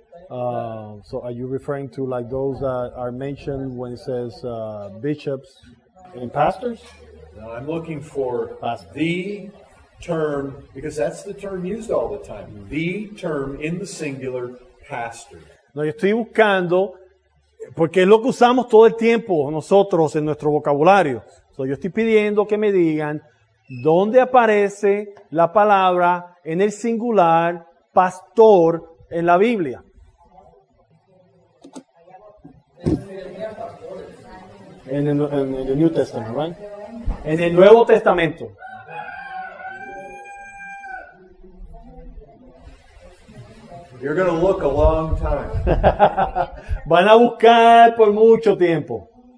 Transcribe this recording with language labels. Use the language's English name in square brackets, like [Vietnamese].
[English] So are you referring to like those that are mentioned when it says bishops and pastors? No, I'm looking for pastor. The term, because that's the term used all the time. Mm-hmm. The term in the singular, pastor. [Spanish] No, yo estoy buscando, porque es lo que usamos todo el tiempo nosotros en nuestro vocabulario. So, yo estoy pidiendo que me digan dónde aparece la palabra en el singular pastor en la Biblia. En el [English] New Testament, right? [Spanish] En el Nuevo Testamento. [English] You're going to look a long time. [Spanish] Van a buscar por mucho tiempo.